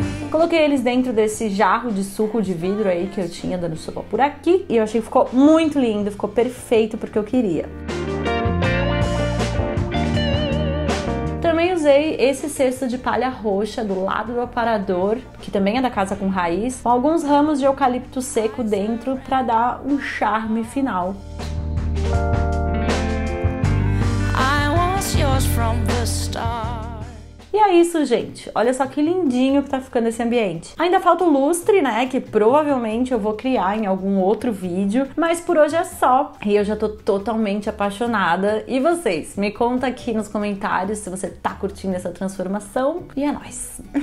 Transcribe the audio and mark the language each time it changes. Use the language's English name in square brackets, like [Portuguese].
[Portuguese] Coloquei eles dentro desse jarro de suco de vidro aí que eu tinha dando sopa por aqui e eu achei que ficou muito lindo, ficou perfeito porque eu queria. Também usei esse cesto de palha roxa do lado do aparador, que também é da Casa com Raiz, com alguns ramos de eucalipto seco dentro para dar um charme final. [English] I was yours from the start. [Portuguese] E é isso, gente. Olha só que lindinho que tá ficando esse ambiente. Ainda falta o lustre, né, que provavelmente eu vou criar em algum outro vídeo, mas por hoje é só. E eu já tô totalmente apaixonada. E vocês? Me conta aqui nos comentários se você tá curtindo essa transformação. E é nóis!